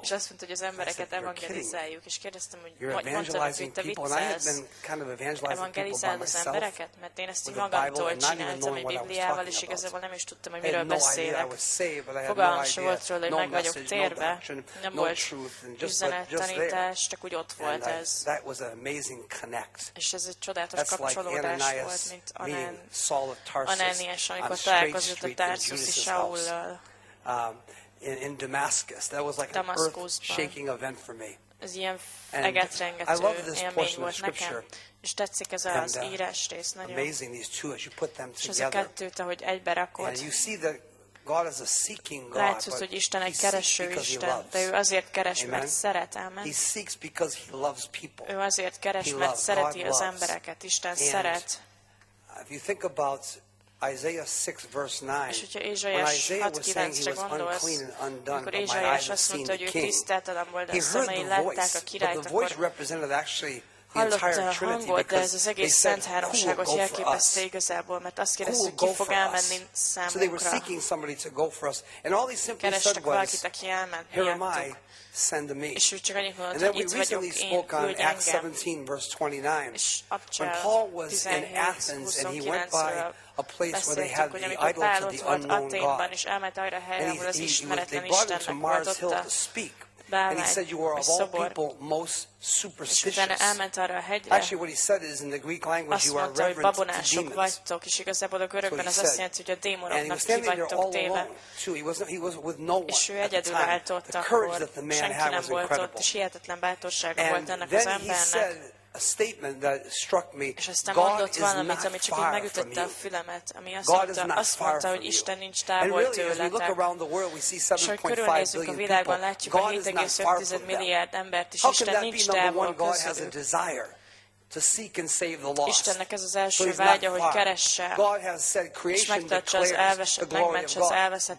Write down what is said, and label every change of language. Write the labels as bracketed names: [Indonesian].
[Hungarian] És azt mondta, hogy az embereket evangelizáljuk. És kérdeztem, hogy [English] you're evangelizing people. And I had been kind of evangelizing people by myself with the Bible, not even knowing what I was talking about. I had no idea I was saved, but I had no idea, no message, no doctrine, no truth, and just there. And that was an amazing connect. That's like Ananias meeting Saul of Tarsus on a straight street in Judas' house. In Damascus, that was like an earth-shaking event for me. [Hungarian] ez ilyen egetrengető élmény volt nekem. És tetszik ez az írás rész nagyon. [English] Amazing these two as you put them together. [Hungarian] És ez a kettőt, ahogy egybe rakod. [English] And you see that God is a seeking God. [Hungarian] Látszott, hogy Isten egy kereső Isten, de ő azért keres, mert szeret, amen. [English] He seeks because he loves people. [Hungarian] Ő azért keres, mert szereti az embereket. Isten szeret. [English] If you think about Isaiah 6 verse 9. [Hungarian] És hogyha Ézsaiás 6:9-re gondolsz, akkor Ézsaiás azt mondta, hogy ő tiszteltelen volt, a szemei látták a királyt, akkor hallotta a hangot, de ez az egész Szent Háromságot jelképezte igazából, mert azt kérdeztük, ki fog elmenni számunkra. Kerestek valakit, aki elment miattuk. És ő csak annyit mondott, hogy itt vagyok én, küldj engem. És Apcsel 17:29-ről beszéltük, hogy amikor Pál ott volt Athénban, és elment arra a helyre, ahol az ismeretlen Istennek volt ott [English] And he said, you are of all people most superstitious. Actually, what he said is, in the Greek language, you are reverent to demons. That's what he said. And he was standing there all alone, too. He was with no one at the time. The courage that the man had was incredible. And then he said a statement that struck me. God is not far from you. God is not far from you. And really, as we look around the world, we see 7.5 billion people. God is not far from them. How can that be number one? God has a desire to seek and save the lost. [Hungarian] Istennek ez az első vágya, hogy keresse. [English] God has said creation declares the glory of God.